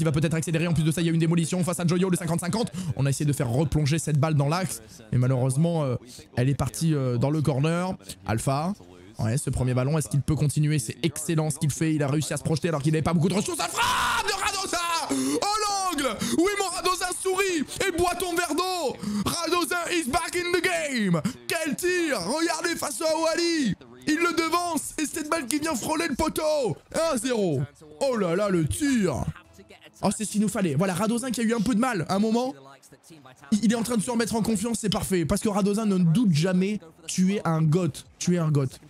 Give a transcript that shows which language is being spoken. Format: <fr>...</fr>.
<fr>Il va peut-être accélérer. En plus de ça, il y a une démolition face à Joyo, le 50-50. On a essayé de faire replonger cette balle dans l'axe. Mais malheureusement, elle est partie dans le corner. Alpha. Ouais, ce premier ballon, est-ce qu'il peut continuer? C'est excellent ce qu'il fait. Il a réussi à se projeter alors qu'il n'avait pas beaucoup de ressources. Ça frappe de Radosa! Oh l'angle! Oui, mon Radosa sourit et boit ton verre d'eau!</fr> <en>Radosa is back in the game!</en> <fr>Quel tir! Regardez face à Wally! Il le devance et cette balle qui vient frôler le poteau! 1-0! Oh là là, le tir! Oh, c'est ce qu'il nous fallait. Voilà, Radosa qui a eu un peu de mal à un moment. Il est en train de se remettre en confiance, c'est parfait. Parce que Radosa ne doute jamais, tu es un GOAT. Tu es un GOAT.</fr>